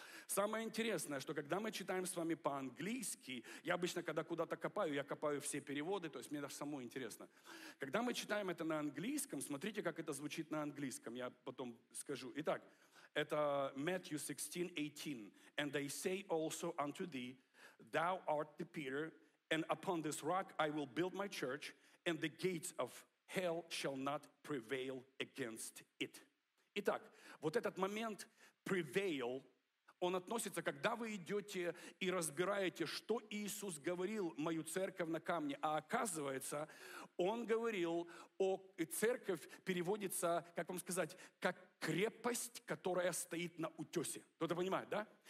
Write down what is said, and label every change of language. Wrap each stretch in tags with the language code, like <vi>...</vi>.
<ru>Самое интересное, что когда мы читаем с вами по-английски, я обычно, когда куда-то копаю, я копаю все переводы, то есть мне даже самому интересно. Когда мы читаем это на английском, смотрите, как это звучит на английском, я потом скажу. Итак, это Matthew 16:18.</ru> <en>«And they say also unto thee, thou art the Peter, and upon this rock I will build my church, and the gates of hell shall not prevail against it».</en> <ru>Итак, вот этот момент prevail, он относится, когда вы идете и разбираете, что Иисус говорил, мою церковь на камне, а оказывается, он говорил, церковь переводится, как вам сказать, как крепость, которая стоит на утесе. Кто-то понимает, да?</ru>